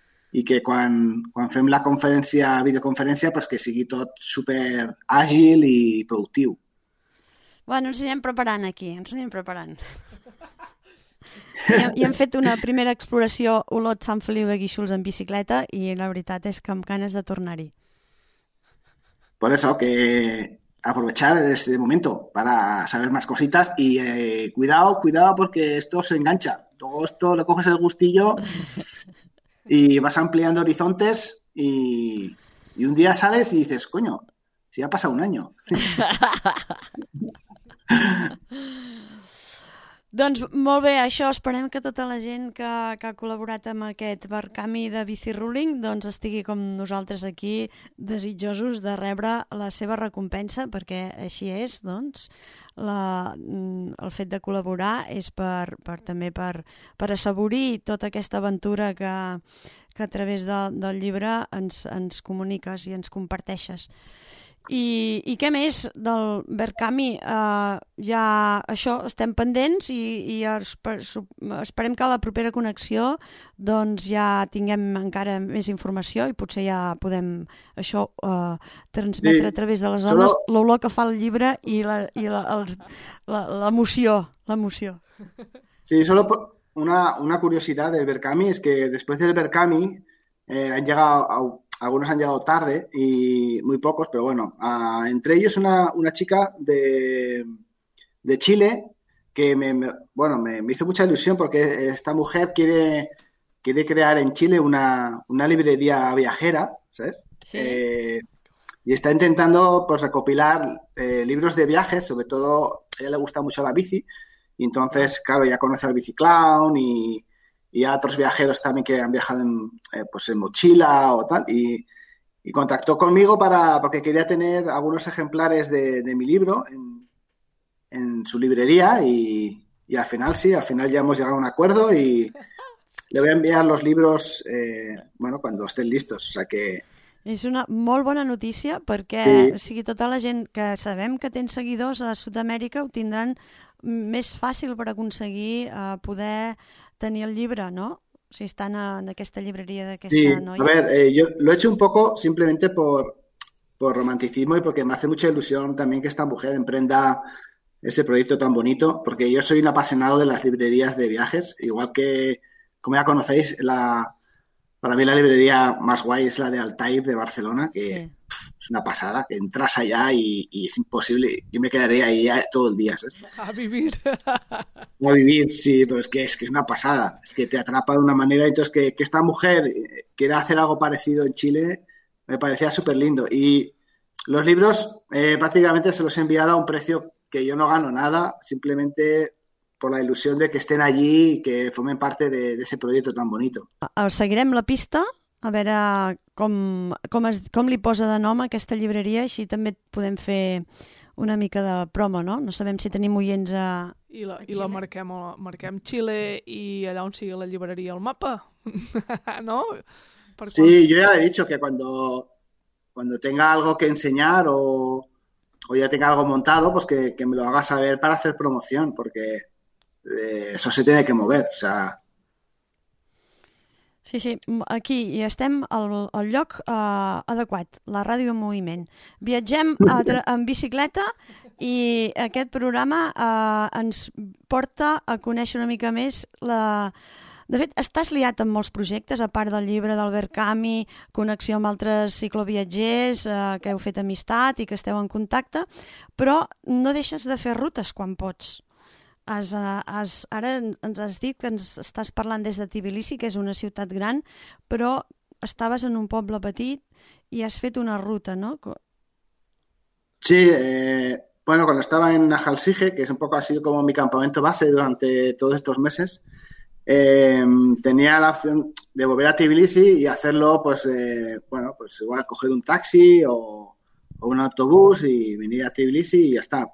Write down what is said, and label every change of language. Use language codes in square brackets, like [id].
[ca] I que quan fem la conferència, videoconferència, pues que sigui tot super àgil i productiu. Bueno, ens anem preparant aquí, ens anem preparant. I hem fet una primera exploració Olot-Sant Feliu de Guíxols en bicicleta i la veritat és que amb ganes de tornar-hi. [es] Por eso, que aprovechar este momento para saber más cositas y cuidado porque esto se engancha. Todo esto lo coges el gustillo... Y vas ampliando horizontes y un día sales y dices, coño, si ha pasado un año. [ca] Doncs molt bé, això, esperem que tota la gent que ha col·laborat amb aquest barcami de bici ruling doncs estigui com nosaltres aquí desitjosos de rebre la seva recompensa, perquè així és, doncs, el fet de col·laborar és per assaborir tota aquesta aventura que a través del llibre ens comuniques i ens comparteixes. I què més del Verkami? Ja això, estem pendents i esperem que a la propera connexió doncs ja tinguem encara més informació i potser ja podem això transmetre sí, a través de les zones l'olor que fa el llibre i l'emoció. Sí, solo una curiositat del Verkami és que després del Verkami han llegat a... [es] Algunos han llegado tarde y muy pocos, pero bueno, entre ellos una chica de Chile que me hizo mucha ilusión porque esta mujer quiere crear en Chile una librería viajera, ¿sabes? Sí. Y está intentando pues recopilar libros de viajes, sobre todo a ella le gusta mucho la bici y entonces, claro, ya conoce al Biciclown y a otros viajeros también que han viajado en mochila o tal, y contactó conmigo porque quería tener algunos ejemplares de mi libro en su librería, y al final sí, al final ya hemos llegado a un acuerdo y le voy a enviar los libros, bueno, cuando estén listos, o sea que... [ca] És una molt bona notícia perquè sí. O sigui, tota la gent que sabem que tens seguidors a Sud-amèrica ho tindran més fàcil per aconseguir poder tenir el llibre, no? Si estan en aquesta llibreria d'aquesta sí. Noia. [es] A ver, yo lo he hecho un poco simplemente por romanticismo y porque me hace mucha ilusión también que esta mujer emprenda ese proyecto tan bonito, porque yo soy un apasionado de las librerías de viajes, igual que, como ya conocéis, para mí la librería más guay es la de Altair de Barcelona, que sí. Es una pasada, que entras allá y es imposible. Yo me quedaría ahí todo el día, ¿sabes? A vivir. A vivir, sí, pero es que es una pasada. Es que te atrapa de una manera. Entonces, que esta mujer quiera hacer algo parecido en Chile, me parecía súper lindo. Y los libros prácticamente se los he enviado a un precio que yo no gano nada, simplemente... [ca] per la il·lusió de que estén allí i que formen part [es] de ese [ca] projecte tan bonito. Seguirem la pista, a veure com li posa de nom a aquesta llibreria, així també podem fer una mica de promo, no? No sabem si tenim oients a Xile. I la marquem Xile i allà on sigui la llibreria al mapa, no? Sí, jo ja he dit que [es] cuando tenga algo que enseñar o ya tenga algo montado, pues que me lo haga saber para hacer promoción, porque... eso se tiene que mover, o sea, [ca] Sí, aquí hi estem al lloc adequat, la ràdio en moviment. Viatgem en bicicleta i aquest programa ens porta a conèixer una mica més la... De fet, estàs liat amb molts projectes, a part del llibre d'Albert Camus, connexió amb altres cicloviatgers, que heu fet amistat i que esteu en contacte, però no deixes de fer rutes quan pots. Ara ens has dit que ens estàs parlant des de Tbilisi, que és una ciutat gran, però estaves en un poble petit i has fet una ruta, no? [es] Sí, bueno, cuando estaba en Nahalsije, que es un poco así como mi campamento base durante todos estos meses, tenía la opción de volver a Tbilisi y hacerlo, pues, bueno, pues igual coger un taxi o un autobús y venir a Tbilisi y ya está.